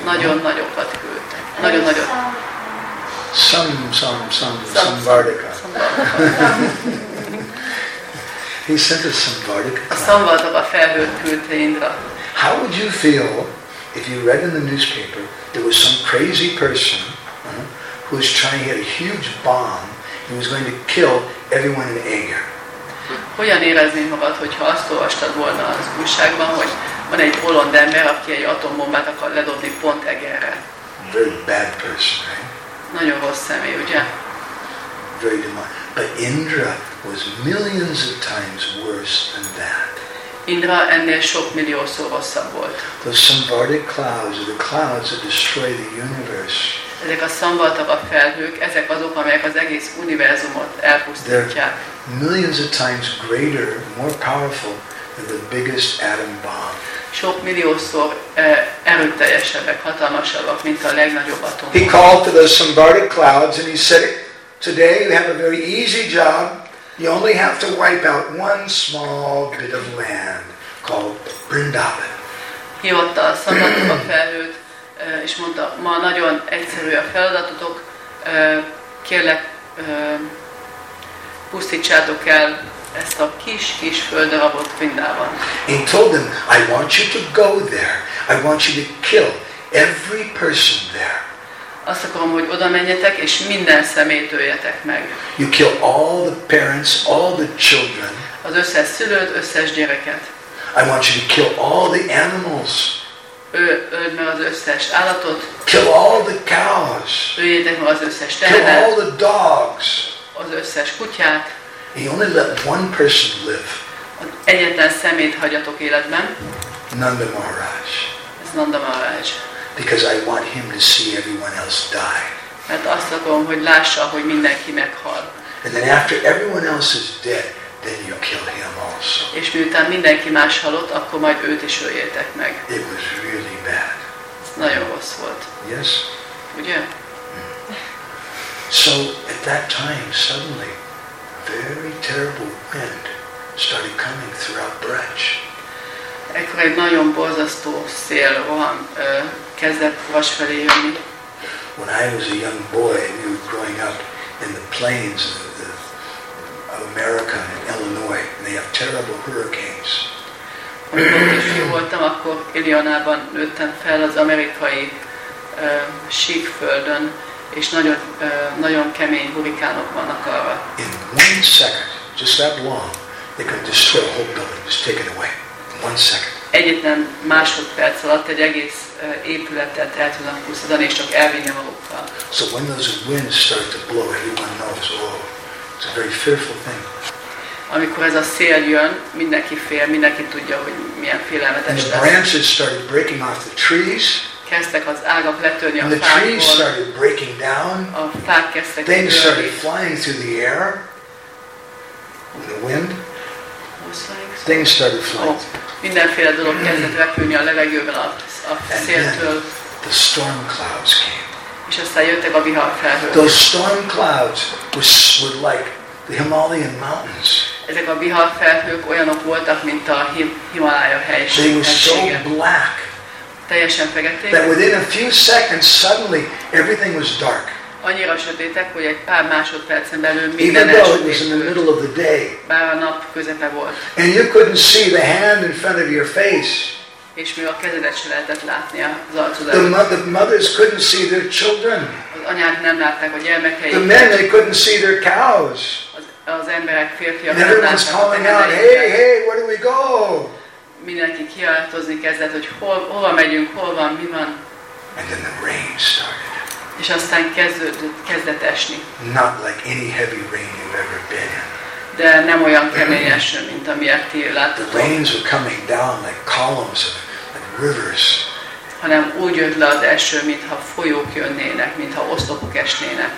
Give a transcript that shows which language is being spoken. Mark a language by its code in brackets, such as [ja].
[hu] Nagyon nagyokat küldtek. Nagyon nagyok. Samvartika. [en] He sent us Samvartika. [hu] A Samvartika felhőt küldte Indra. [en] How would you feel if you read in the newspaper there was some crazy person who was trying to get a huge bomb? He was going to kill everyone in anger. [hu] Hogyan éreznéd magad, hogyha azt olvastad volna az újságban, hogy van egy bolond ember, aki egy atombombát akar ledobni pont Egerre? [en] Very bad person, right? [hu] Nagyon rossz személy, ugye? [en] Very demonic. But Indra was millions of times worse than that. [hu] Indra ennél sok milliószor rosszabb volt. [en] The samvartic clouds are the clouds that destroy the universe. [hu] Ezek a szambartak a felhők, ezek azok, amelyek az egész univerzumot elpusztítják. [en] Millions of times greater, more powerful than the biggest atom bomb. [hu] Sok milliószor erőteljesebbek, hatalmasabbak, mint a legnagyobb atom. [en] He called to the samvartic clouds and he said, "Today you have a very easy job. You only have to wipe out one small bit of land called Vrindavan." [hu] Hívta a szambartak a felhőt. És mondta, ma nagyon egyszerű a feladatotok, kérlek, pusztítsátok el ezt a kis-kis földarabot Vrindavan. [en] He told them, I want you to go there. I want you to kill every person there. [hu] Azt akarom, hogy oda menjetek, és minden szemét öljetek meg. [en] You kill all the parents, all the children. [hu] Az összes szülőt, összes gyereket. [en] I want you to kill all the animals. [hu] Öld meg az összes állatot. [en] Kill all the cows. [hu] Öljétek meg az összes tehenet. [en] Kill all the dogs. [hu] Az összes kutyát. [en] He only let one person live. [hu] Egyetlen szemét hagyatok életben. [en] Nanda Maharaj. [hu] Ez Nanda Maharaj. [en] Because I want him to see everyone else die. [hu] Mert azt akarom, hogy lássa, hogy mindenki meghal. [en] And then after everyone else is dead, then you kill him also. [hu] És miután mindenki más halott, akkor majd őt is öljétek meg. [en] It was really bad. [hu] Nagyon rossz volt. [en] Yes. [hu] Ugye? [en] So at that time, suddenly, very terrible wind started coming throughout Braj. [hu] Ekkor egy nagyon borzasztó szél rohan kezdett Braj felé jönni. [en] When I was a young boy, we were growing up in the plains America and Illinois, and they have terrible hurricanes. [hu] Voltam akkor Illinoisban, nőttem fel az amerikai síkföldön, és nagyon nagyon kemény hurrikánok vannak arra. [en] In one second, just that long, they could destroy a whole building, just take it away. One second. [hu] Egyetlen másodperc alatt egy egész épületet el tudnak pusztítani, és csak elvinni magukkal. [en] So when those winds start to blow, everyone knows, oh. It's a very fearful thing. [hu] Amikor ez a szél jön, mindenki fél, mindenki tudja, hogy milyen félelmetes lesz. [en] And the branches started breaking off the trees. [hu] Kezdtek az ágak letörni a fákból. [en] And the trees started breaking down. [hu] A fák kezdtek törni. [en] Things started flying through the air. The wind. Things started flying. [hu] Mindenféle dolog kezdett repülni a levegőben a széltől. [en] The storm clouds came. [hu] És aztán jöttek a vihar felhők. [en] Those storm clouds were like the Himalayan mountains. [hu] Ezek a vihar felhők olyanok voltak, mint a Himalája helysége. [en] They were so black. [hu] Teljesen feketék. [en] That within a few seconds suddenly everything was dark. [hu] Annyira sötétek, hogy egy pár másodpercen belül minden elsötétült. [en] Even though it was in the middle of the day. [hu] Bár a nap közepe volt. [en] And you couldn't see the hand in front of your face. [hu] És még a kezedet sem lehetett látni az arcodat. [en] The mothers couldn't see their children. [hu] Az anyák nem látták a gyermekeiket. [en] The men, they couldn't see their cows. [hu] Az emberek, férfiak nem látták a gyermekeiket. [en] Everyone's calling out, hey, hey, where do we go? [hu] Mindenki kiáltozni kezdett, hogy hova megyünk, hol van, mi van. [en] And then the rain started. [hu] És aztán kezdett esni. [en] Not like any heavy rain you've ever been in. [hu] De nem olyan kemény eső, mint amilyet ti láttatok. [en] The rains were coming down like columns of like rivers. [hu] Hanem úgy jött le az eső, mintha folyók jönnének, mintha oszlopok esnének.